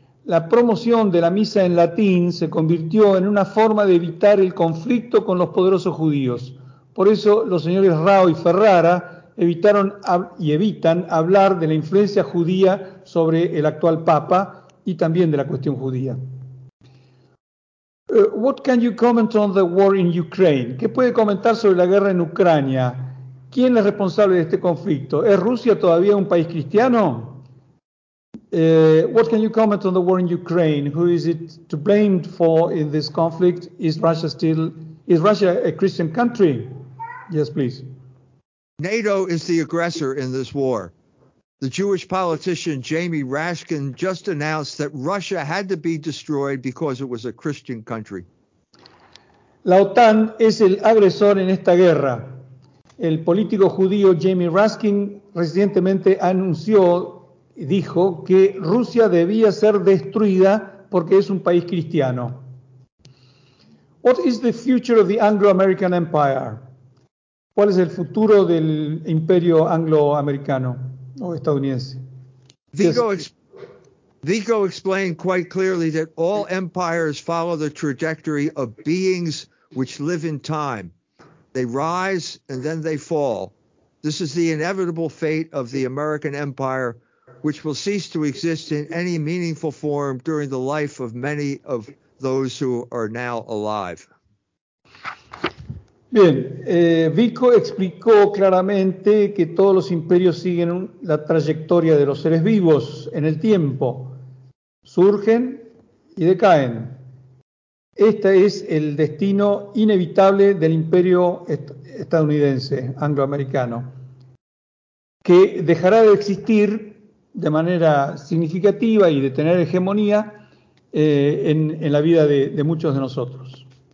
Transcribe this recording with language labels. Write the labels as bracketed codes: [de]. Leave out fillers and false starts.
[es] La promoción de la misa en latín se convirtió en una forma de evitar el conflicto con los poderosos judíos. Por eso los señores Rao y Ferrara evitaron y evitan hablar de la influencia judía sobre el actual Papa y también de la cuestión judía. [en] What can you comment on the war in Ukraine? [es] ¿Qué puede comentar sobre la guerra en Ucrania? ¿Quién es responsable de este conflicto? ¿Es Rusia todavía un país cristiano? [en] What can you comment on the war in Ukraine? Who is it to blame for in this conflict? Is Russia a Christian country? Yes, please. NATO is the aggressor in this war. The Jewish politician Jamie Raskin just announced that Russia had to be destroyed because it was a Christian country. [es] La OTAN es el agresor en esta guerra. El político judío Jamie Raskin recientemente anunció y dijo que Rusia debía ser destruida porque es un país cristiano. [en] What is the future of the Anglo-American Empire? [es] ¿Cuál es el futuro del imperio angloamericano o estadounidense? [en] Vigo explained quite clearly that all empires follow the trajectory of beings which live in time. They rise and then they fall. This is the inevitable fate of the American Empire, which will cease to exist in any meaningful form during the life of many of those who are now alive. [es] Bien, Vico explicó claramente que todos los imperios siguen la trayectoria de los seres vivos en el tiempo. Surgen y decaen. Este es el destino inevitable del imperio estadounidense, angloamericano, que dejará de existir de manera significativa y de tener hegemonía en la vida de muchos de nosotros.